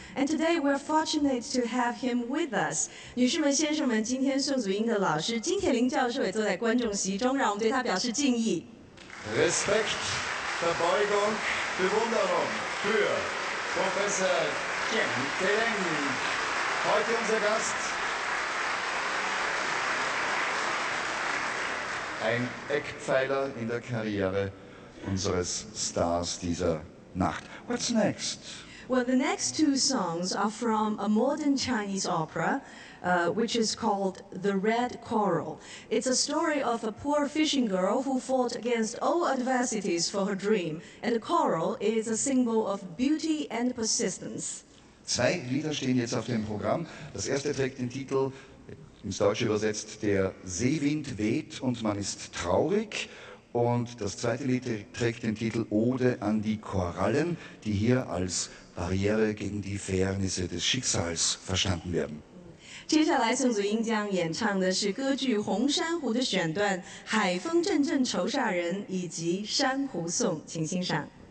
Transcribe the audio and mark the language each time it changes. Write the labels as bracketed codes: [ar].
[en] And today we're fortunate to have him with us. [zh] 女士们、先生们，今天宋祖英的老师金铁霖教授也坐在观众席中，让我们对他表示敬意。 [de] Respekt, Verbeugung, Bewunderung für Professor Jing Tieling. Heute unser Gast. Ein Eckpfeiler in der Karriere unseres Stars dieser Nacht. [en] What's next? Well, the next two songs are from a modern Chinese opera, which is called The Red Coral. It's a story of a poor fishing girl who fought against all adversities for her dream. And the coral is a symbol of beauty and persistence. [de] Zwei Lieder stehen jetzt auf dem Programm. Das erste trägt den Titel... Ins Deutsche übersetzt, der Seewind weht und man ist traurig. Und das zweite Lied trägt den Titel Ode an die Korallen, die hier als Barriere gegen die Fairnisse des Schicksals verstanden werden. [zh] 接下来宋祖英将演唱的是歌剧《红珊瑚》的选段《海风阵阵愁煞人》以及《珊瑚颂》，请欣赏。